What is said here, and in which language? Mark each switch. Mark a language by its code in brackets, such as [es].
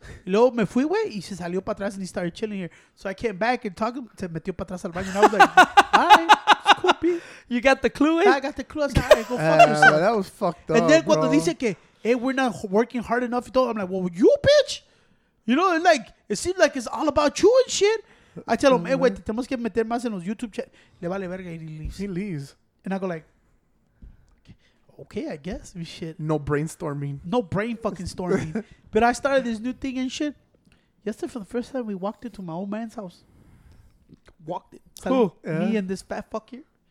[es] Luego me fui, güey, y se salió para atrás [en] and he started chilling here. So I came back and talked to him. [es] Se metió para atrás al baño [en] and I was like, hi, Scoopy. You got the clue, I got the clue. I was like, go fuck yourself. That was fucked and up, and then [es] Cuando dice que, [en] hey, we're not working hard enough, though, I'm like, well, you, bitch. You know, and like, it seems like it's all about you and shit. [es] I tell him, hey, güey, te tenemos que meter más en los YouTube channels. Le vale verga y [en] he leaves. And I go like, okay, I guess we should. No brainstorming. No brain fucking storming. But I started this new thing and shit. Yesterday, for the first time, we walked into my old man's house. Walked it. Who? Me and this fat fuck here.